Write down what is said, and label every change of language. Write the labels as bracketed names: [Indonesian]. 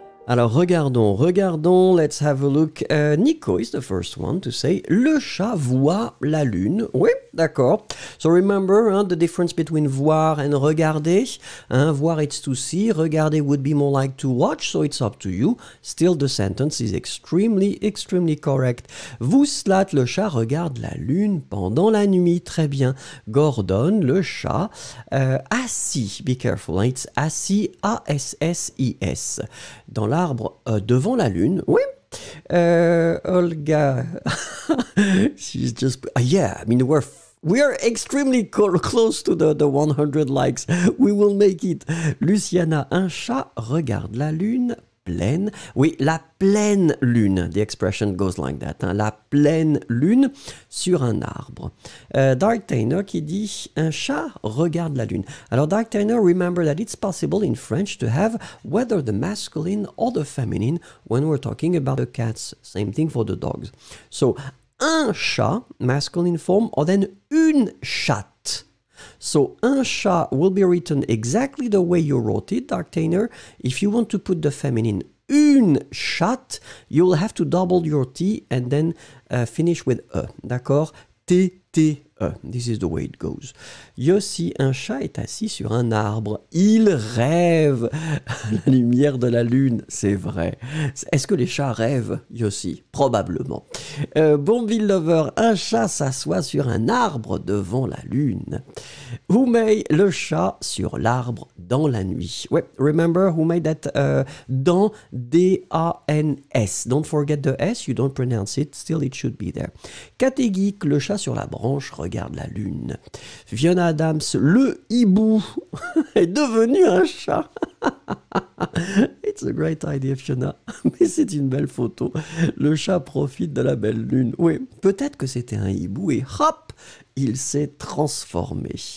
[French] Alors, regardons, [English] let's have a look. Nico is the first one to say, [French] le chat voit la lune. Oui, d'accord. [English] So remember the difference between voir and regarder. Voir, it's to see. Regarder would be more like to watch, so it's up to you. Still, the sentence is extremely, extremely correct. [French] Vouslat, le chat regarde la lune pendant la nuit. Très bien. Gordon, le chat, assis. [English] Be careful, it's assis, A-S-S-I-S. [French] Dans l'arbre devant la lune, oui. [English] Olga, she's just, yeah, I mean, we are extremely close to the 100 likes. We will make it. [French] Luciana, un chat regarde la lune pleine. Oui, la pleine lune. [English] The expression goes like that. [French] Hein, la pleine lune sur un arbre. Dark Tainer qui dit, un chat regarde la lune. [English] Alors, Dark Tainer, remember that it's possible in French to have whether the masculine or the feminine when we're talking about the cats. Same thing for the dogs. So, un chat, masculine form, or then une chatte. So, un chat will be written exactly the way you wrote it, Dark Tainer. If you want to put the feminine, une chatte, you will have to double your T and then finish with E. D'accord? T-T-E. This is the way it goes. [French] Yossi, un chat est assis sur un arbre. Il rêve la lumière de la lune. C'est vrai. Est-ce que les chats rêvent, Yossi? Probablement. Bonville Lover, un chat s'assoit sur un arbre devant la lune. Humei, le chat sur l'arbre dans la nuit. [English] Ouais, remember, Humei, that dans, D-A-N-S. Don't forget the S, you don't pronounce it, still it should be there. [French] Kategik, le chat sur la branche regarde la lune. Fiona Adams, le hibou est devenu un chat. [English] It's a great idea, Fiona. [French] Mais c'est une belle photo. Le chat profite de la belle lune. Oui, peut-être que c'était un hibou et hop, il s'est transformé.